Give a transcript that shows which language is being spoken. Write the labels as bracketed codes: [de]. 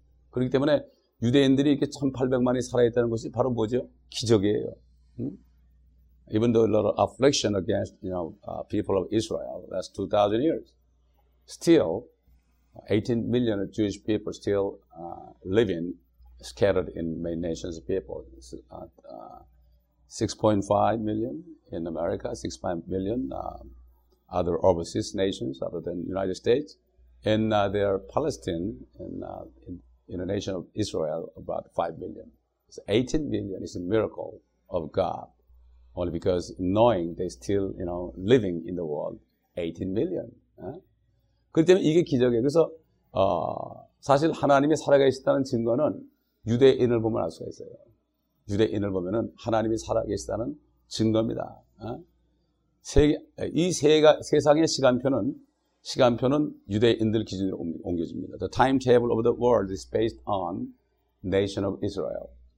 [ko] 그렇기 때문에 유대인들이 이렇게 1,800만이 살아있다는 것이 바로 뭐죠? 기적이에요. [en] Even though a lot of affliction against, you know, people of Israel, that's 2,000 years. Still, 18 million Jewish people still living scattered in many nations of people. 6.5 million in America, 6.5 million other overseas nations other than United States. And there are Palestine and in the nation of Israel about 5 million. So 18 million is a miracle of God. Only because knowing they still, you know, living in the world, 18 million. [ko] 그렇기 때문에 이게 기적이에요. 그래서 사실 하나님이 살아계시다는 증거는 유대인을 보면 알 수가 있어요. 유대인을 보면은 하나님이 살아계시다는 증거입니다. 세상의 시간표는 유대인들 기준으로 옮겨집니다. [en] The timetable of the world is based on nation of Israel.